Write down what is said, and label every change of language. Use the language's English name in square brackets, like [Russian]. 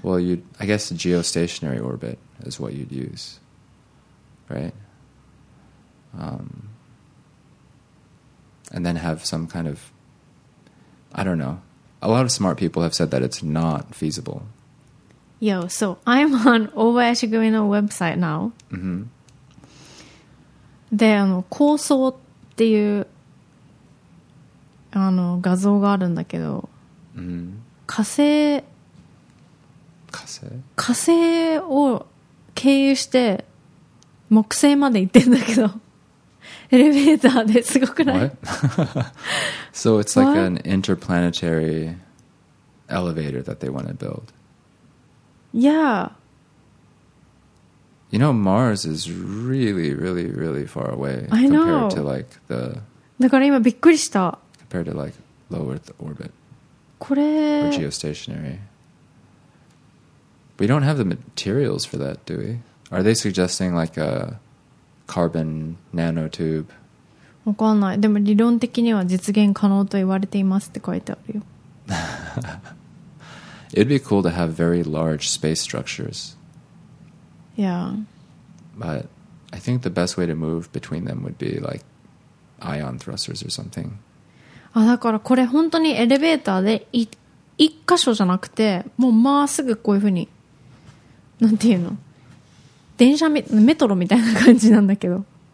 [English] well, you'd, I guess a geostationary orbit is what you'd use, right? And then have some kind of, I don't know. A lot of smart people have said that it's not feasible. Yo, so I'm on Obayashi Gumi's website now. Mm-hmm. [Japanese] で、あの、構想っていう、あの、画像があるんだけど、 mm-hmm. 火星、火星？火星を経由して木星まで行ってんだけど、エレベーターですごくない？ [English] What? So it's like an interplanetary elevator that they want to build. Yeah. You know, Mars is really, really, really far away. I know. Compared to like the... [Japanese] だから今びっくりした。 [English] Compared to like low Earth orbit. [Japanese] これ... [English] Or geostationary. We don't have the materials for that, do we? Are they suggesting like a carbon nanotube? [Japanese] わかんない。でも理論的には実現可能と言われていますって書いてあるよ。 [English] It'd be cool to have very large space structures. Yeah. But I think the best way to move between them would be like ion thrusters or something. [Japanese] あ、だからこれ本当にエレベーターで一箇所じゃなくて、もうまっすぐこういうふうに、なんていうの、電車メトロみたいな感じなんだけど。